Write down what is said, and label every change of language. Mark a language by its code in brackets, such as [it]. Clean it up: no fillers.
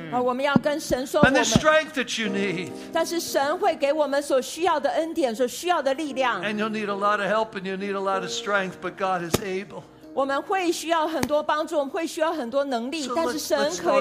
[zh] 而我们要跟神说 [en] And the strength that you need. [zh] 但是神会给我们所需要的恩典所需要的力量 [en] And you'll need a lot of help and you'll need a lot of strength, but God is able. [zh] 我们会需要很多帮助，我们会需要很多能力，但是神可以。